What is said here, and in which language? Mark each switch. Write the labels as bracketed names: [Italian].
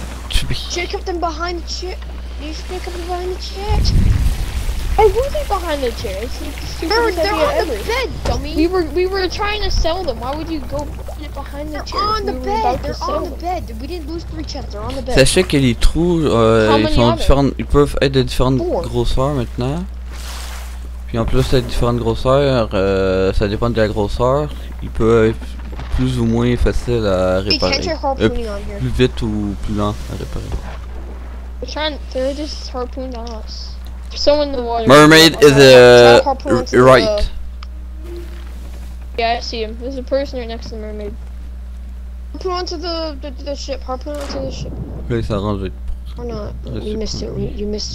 [English] to be. Check up them behind the chair. You should pick up them behind the chair. Hey, who's they behind the chair? It's like the stupidest idea They're on the bed, dummy. We were trying to sell them. Why would you go behind the chair? They're on the bed. They're on the bed. We didn't lose three chests. They're on the bed. [French] Sachez que les trous, ils peuvent être de différentes grosseurs maintenant. Puis en plus, les différentes grosseurs, ça dépend de la grosseur. Ils peuvent être plus ou moins faciles à réparer. Plus vite ou plus lent à réparer. [English] They're just harpooned on us. Someone in the water. Mermaid is a right. Yeah, I see him. There's a person right next to the mermaid. Harpoon onto the ship. Harpoon onto the ship. [French] Okay, ça rend [English] vite. Or not. You missed it. You missed